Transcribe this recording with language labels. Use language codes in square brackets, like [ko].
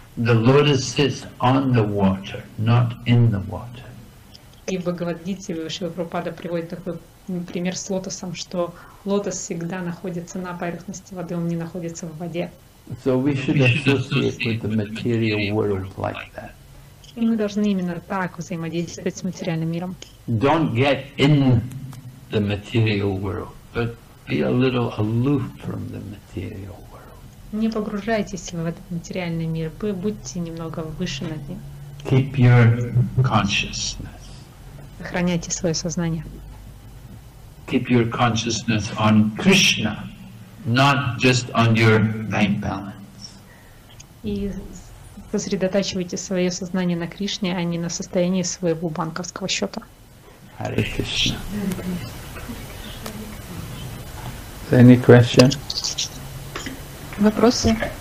[en] The lotus sits on the water, not in the water. [ru] И в Бхагавад Гите Шрила Прабхупада приводит такой пример с лотосом, что лотос всегда находится на поверхности воды, он не находится в воде. [en] So we should associate with the material world like that. [ru] И мы должны именно так взаимодействовать с материальным миром. [en] Don't get in the material world, but be a little aloof from the material world. [ru] Не погружайтесь в этот материальный мир. Вы будьте немного выше над ним. [en] Keep your consciousness. [ru] Сохраняйте свое сознание. [en] Keep your consciousness on Krishna, not just on your bank balance. [ru] И сосредотачивайте свое сознание на Кришне, а не на состоянии своего банковского счета. [en] Hare Krishna. Any question? [ru] Вопросы?